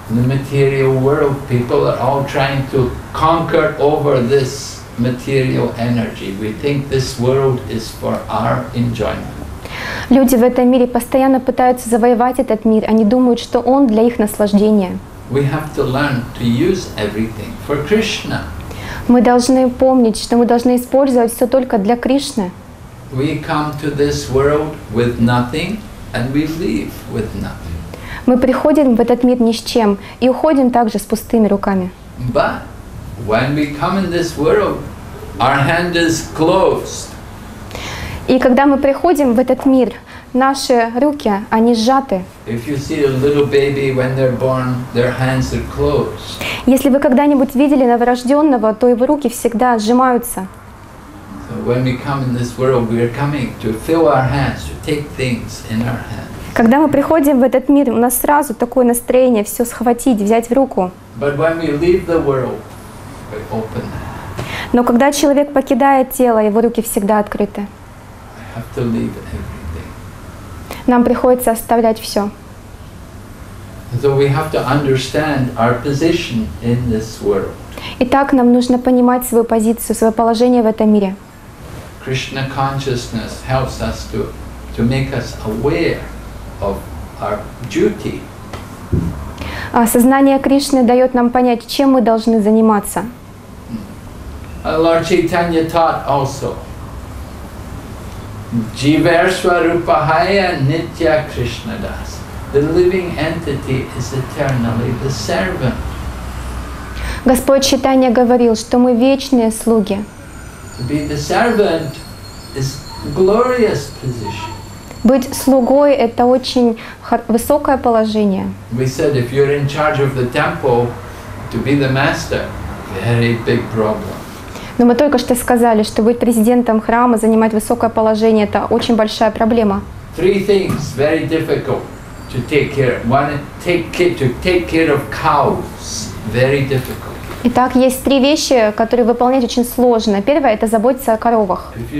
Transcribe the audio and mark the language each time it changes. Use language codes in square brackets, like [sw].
[en] In the material world, people are all trying to conquer over this material energy. We think this world is for our enjoyment. [ru] Люди в этом мире постоянно пытаются завоевать этот мир. Они думают, что он для их наслаждения. [en] We have to learn to use everything for Krishna. [ru] Мы должны помнить, что мы должны использовать все только для Кришны. [en] We come to this world with nothing, and we leave with nothing. [ru] Мы приходим в этот мир ни с чем и уходим также с пустыми руками. [en] But when we come in this world, our hand is closed. [ru] И когда мы приходим в этот мир, наши руки, они сжаты. [en] If you see a little baby when they're born, their hands are closed. [ru] Если вы когда-нибудь видели новорожденного, то его руки всегда сжимаются. [en] So when we come in this world, we are coming to fill our hands, to take things in our hands. [ru] Когда мы приходим в этот мир, у нас сразу такое настроение все схватить, взять в руку. [en] But when we leave the world, we open them. [ru] Но когда человек покидает тело, его руки всегда открыты. [en] I have to leave everything. [ru] Нам приходится оставлять все. [en] So we have to understand our position in this world. [ru] Итак, нам нужно понимать свою позицию, свое положение в этом мире. [en] Krishna consciousness helps us to make us aware of our duty. [ru] Сознание Кришны дает нам понять, чем мы должны заниматься. [en] Lord Chaitanya taught also. [bn] Jivarsva rupahaya nitya Krishna das. [en] The living entity is eternally the servant. [ru] Господь Чайтанья говорил, что мы вечные слуги. [en] To be the servant is glorious position. [ru] Быть слугой — это очень высокое положение. [en] We said, if you're in charge of the temple, to be the master, very big problem. [ru] Но мы только что сказали, что быть президентом храма, занимать высокое положение — это очень большая проблема. [en] Three things very difficult to take care of. One, to take care of cows. Very difficult. [ru] Итак, есть три вещи, которые выполнять очень сложно. Первое — это заботиться о коровах.